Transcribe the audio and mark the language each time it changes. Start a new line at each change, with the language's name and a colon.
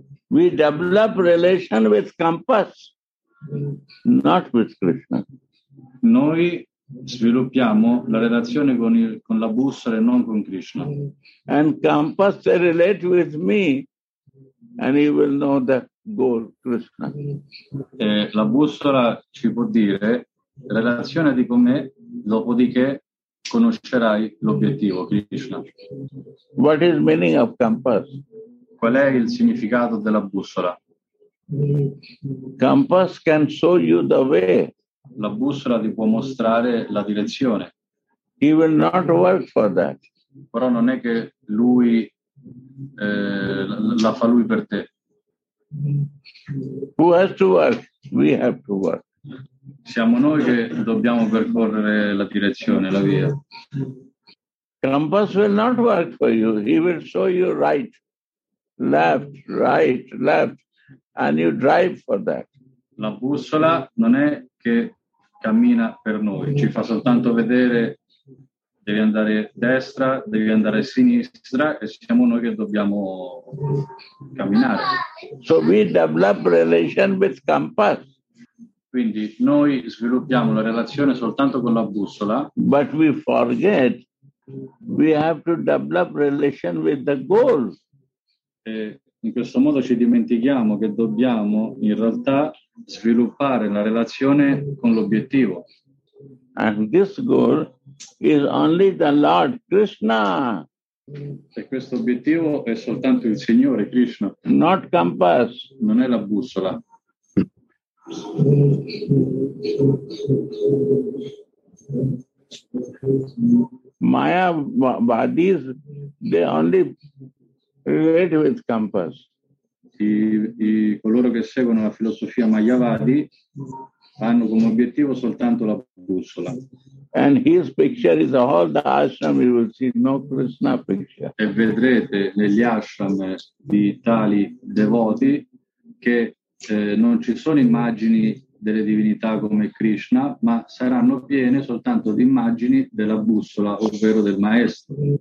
English: We develop relation with compass, not with Krishna.
Italian: Noi sviluppiamo la relazione con la bussola e non con Krishna.
English: And compass relate with me and you will know the goal, Krishna.
Italian: La bussola ci può dire relazionati con me, dopodiché conoscerai l'obiettivo, Krishna.
English: What is meaning of compass?
Italian: Qual è il significato della bussola?
English: Compass can show you the way.
Italian: La bussola ti può mostrare la direzione.
English: He will not work for that.
Italian: Però non è che lui la fa lui per te.
English: Who has to work? We have to work.
Italian: Siamo noi che dobbiamo percorrere la direzione, la via.
English: Compass will not work for you. He will show you right. left, right, left, and you drive for that.
Italian: La bussola non è che cammina per noi, ci fa soltanto vedere devi andare destra, devi andare sinistra, e siamo noi che dobbiamo camminare.
English: So we develop relation with compass.
Italian: Quindi noi sviluppiamo la relazione soltanto con la bussola.
English: But we forget we have to develop relation with the goal.
Italian: E in questo modo ci dimentichiamo che dobbiamo in realtà sviluppare la relazione con l'obiettivo.
English: And this goal is only the Lord Krishna.
Italian: E questo obiettivo è soltanto il Signore Krishna.
English: Not compass.
Italian: Non è la bussola.
English: Maya bodies, they only relate with compass.
Italian: I coloro che seguono la filosofia mayavadi hanno come obiettivo soltanto la bussola.
English: And his picture is all the ashram, you will see no Krishna picture.
Italian: E vedrete negli ashram di tali devoti che non ci sono immagini delle divinità come Krishna, ma saranno piene soltanto di immagini della bussola, ovvero del maestro.